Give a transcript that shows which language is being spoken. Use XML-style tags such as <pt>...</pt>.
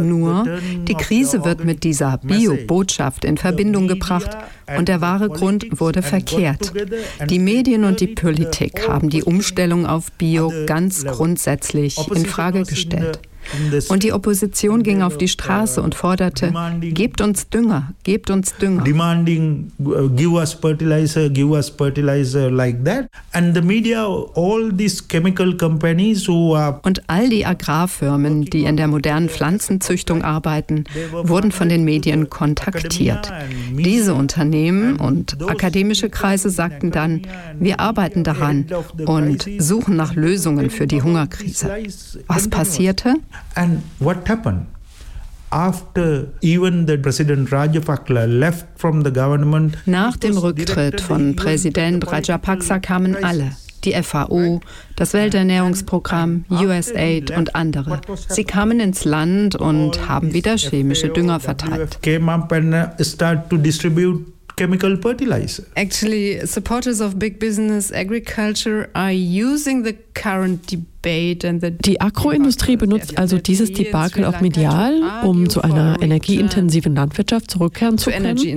<de>Nur die Krise wird mit dieser Bio-Botschaft in Verbindung gebracht und der wahre Grund wurde verkehrt. Die Medien und die Politik haben die Umstellung auf Bio ganz grundsätzlich in Frage gestellt. Und die Opposition ging auf die Straße und forderte, gebt uns Dünger, gebt uns Dünger.</de> <en>Demanding, give us fertilizer, like that. And the media, all these chemical companies who are...</en> <de>Und all die Agrarfirmen, die in der modernen Pflanzenzüchtung arbeiten, wurden von den Medien kontaktiert. Diese Unternehmen und akademische Kreise sagten dann, wir arbeiten daran und suchen nach Lösungen für die Hungerkrise. Was passierte?</de> <en>And what happened after even the President Rajapaksa left from the government?</en> <de>Nach dem Rücktritt von Präsident Rajapaksa kamen alle, die FAO, das Welternährungsprogramm, USAID und andere. Sie kamen ins Land und haben wieder chemische Dünger verteilt.</de> <en>Came up and started to distribute chemical fertilizer. Actually, supporters of big business agriculture are using the current debate and the...</en> <de>Die Agroindustrie benutzt also dieses Debakel auch medial, um zu einer energieintensiven Landwirtschaft zurückkehren zu können.</de>